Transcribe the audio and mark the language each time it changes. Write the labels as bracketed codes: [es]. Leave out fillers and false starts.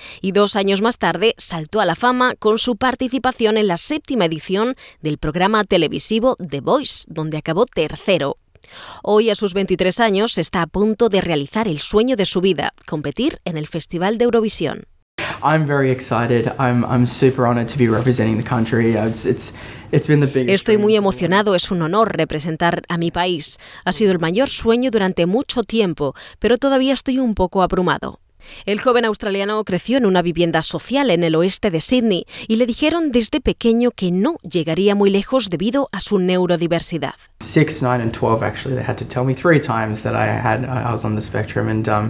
[es] Y dos años más tarde saltó a la fama con su participación en la séptima edición del programa televisivo The Voice, donde acabó tercero. Hoy, a sus 23 años, está a punto de realizar el sueño de su vida, competir en el Festival de Eurovisión. [en] I'm very excited. I'm super honored to be representing the country. It's been the biggest. [es] Estoy muy emocionado. Es un honor representar a mi país. Ha sido el mayor sueño durante mucho tiempo, pero todavía estoy un poco abrumado. El joven australiano creció en una vivienda social en el oeste de Sydney y le dijeron desde pequeño que no llegaría muy lejos debido a su neurodiversidad. [en] 6, 9 and 12 actually they had to tell me 3 times that I was on the spectrum and